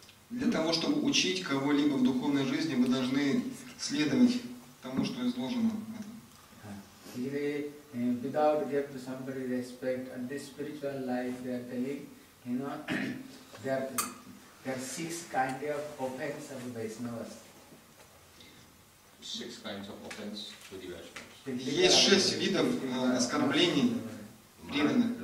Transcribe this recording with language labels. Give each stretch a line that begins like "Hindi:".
Russian: Для того, чтобы учить кого-либо в духовной жизни, вы должны следовать тому, что изложено.
English: Here, without giving to somebody respect and this spiritual life, they are telling, you know, there are six kind of offense of Vaishnavas. Six kinds of offense to the Vaishnavas.
Russian: Есть шесть видов оскорблений преданных.